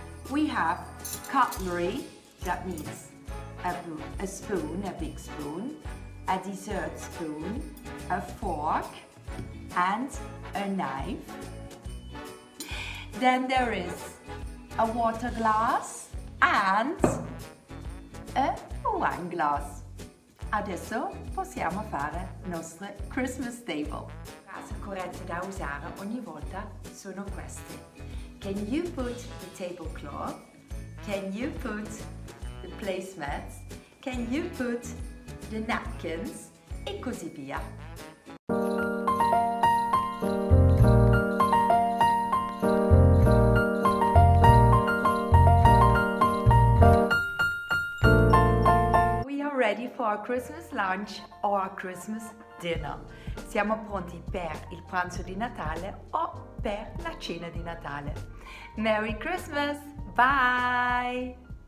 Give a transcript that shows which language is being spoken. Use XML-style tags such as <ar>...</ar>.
<en>We have cutlery, that means a spoon, a big spoon, a dessert spoon, a fork, and a knife. Then there is a water glass and a wine glass.</en> <it>Adesso possiamo fare nostra Christmas table. Frasi corrette da usare ogni volta sono queste.</it> <en>Can you put the tablecloth? Can you put the placemats? Can you put the napkins?</en> <it>E così via.</it> <en>We are ready for our Christmas lunch or our Christmas dinner.</en> <it>Siamo pronti per il pranzo di Natale o per la cena di Natale.</it> <en>Merry Christmas! Bye!</en>